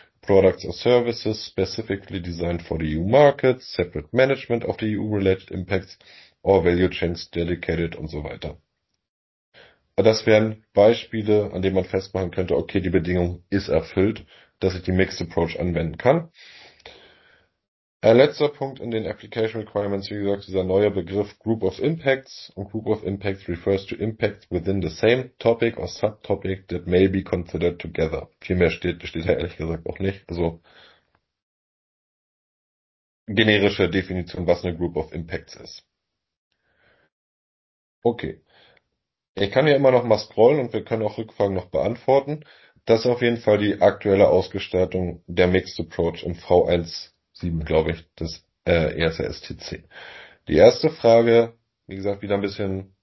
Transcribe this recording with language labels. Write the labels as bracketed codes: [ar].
[en] Products or services specifically designed for the EU market, separate management of the EU-related impacts or value chains dedicated [de] und so weiter. Das wären Beispiele, an denen man festmachen könnte, okay, die Bedingung ist erfüllt, dass ich die Mixed Approach anwenden kann. Ein letzter Punkt in den Application Requirements, wie gesagt, dieser neue Begriff Group of Impacts. [en] Und Group of Impacts refers to impacts within the same topic or subtopic that may be considered together. [de] Viel mehr steht da ehrlich gesagt auch nicht. Also generische Definition, was eine Group of Impacts ist. Okay. Ich kann ja immer noch mal scrollen und wir können auch Rückfragen noch beantworten. Das ist auf jeden Fall die aktuelle Ausgestaltung der Mixed Approach im V1.7, glaube ich, des ESRSTC. Die erste Frage, wie gesagt, wieder ein bisschen